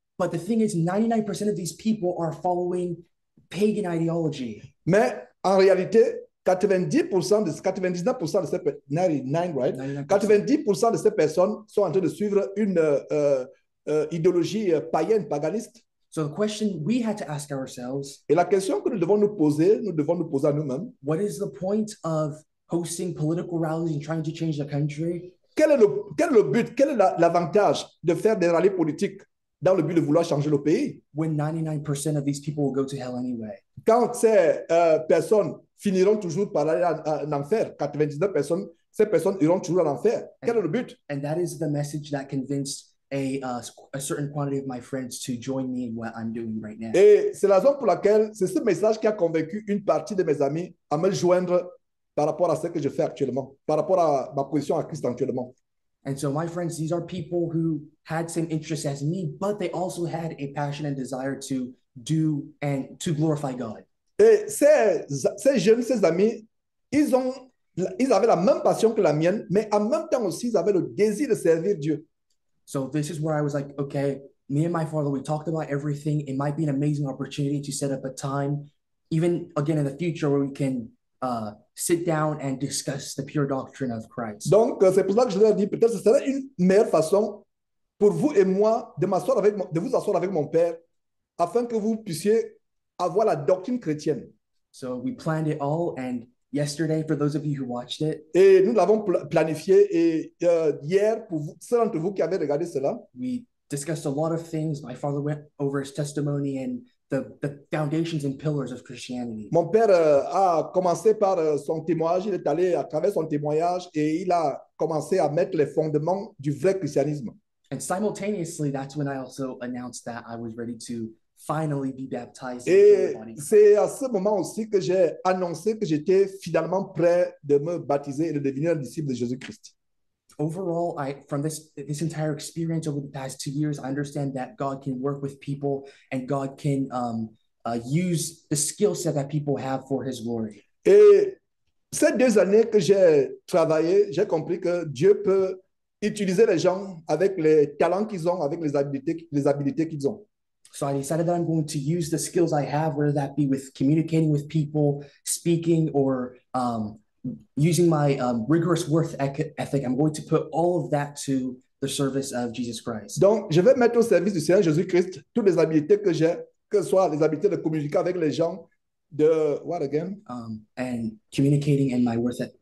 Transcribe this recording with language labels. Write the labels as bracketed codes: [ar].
[en] But the thing is, 99% of these people are following pagan ideology. [fr] Mais en réalité, 99% de ces personnes, 99, right? 90% de ces personnes sont en train de suivre une idéologie païenne, paganiste. [en] So the question we had to ask ourselves, [fr] et la question que nous devons nous poser à nous-mêmes, [en] what is the point of hosting political rallies and trying to change the country? [fr] Quel est le but, quel est l'avantage de faire des rallyes politiques dans le but de vouloir changer le pays? [en] When 99% of these people will go to hell anyway. [fr] Quand ces personnes finiront toujours par aller en enfer, 99 personnes, ces personnes iront toujours en enfer. Quel est le but? [en] And that is the message that convinced a certain quantity of my friends to join me in what I'm doing right now. [fr] Et c'est la raison pour laquelle c'est ce message qui a convaincu une partie de mes amis à me joindre par rapport à ce que je fais actuellement, par rapport à ma position à Christ actuellement. [en] And so my friends, these are people who had same interests as me, but they also had a passion and desire to do and to glorify God. [fr] Et ces jeunes, ces amis, ils avaient la même passion que la mienne, mais en même temps aussi, ils avaient le désir de servir Dieu. [en] So this is where I was like, okay, me and my father, we talked about everything. It might be an amazing opportunity to set up a time, even again in the future, where we can sit down and discuss the pure doctrine of Christ. [fr] Donc, c'est pour ça que je leur dis, peut-être que ce serait une meilleure façon pour vous et moi de vous asseoir avec mon père afin que vous puissiez avoir la doctrine chrétienne. [en] So we planned it all, and yesterday, for those of you who watched it, [fr] et nous l'avons planifié, et hier, pour vous, ceux d'entre vous qui avaient regardé cela, [en] we discussed a lot of things. My father went over his testimony and the foundations and pillars of Christianity. [fr] Mon père a commencé par son témoignage. Il est allé à travers son témoignage et il a commencé à mettre les fondements du vrai christianisme. [en] And simultaneously, that's when I also announced that I was ready to finally be baptized. [fr] Et c'est à ce moment aussi que j'ai annoncé que j'étais finalement prêt de me baptiser et de devenir un disciple de Jésus-Christ. [en] Overall, from this entire experience over the past 2 years, I understand that God can work with people and God can use the skill set that people have for His glory. [fr] Et ces deux années que j'ai travaillé, j'ai compris que Dieu peut utiliser les gens avec les talents qu'ils ont, avec les habiletés qu'ils ont. [en] So I decided that I'm going to use the skills I have, whether that be with communicating with people, speaking, or using my rigorous worth ethic. I'm going to put all of that to the service of Jesus Christ. [fr] Donc, je vais mettre au service du Seigneur Jésus-Christ toutes les habiletés que j'ai, que ce soit les habiletés de communiquer avec les gens, de... [en] What again? And communicating and my worth ethic.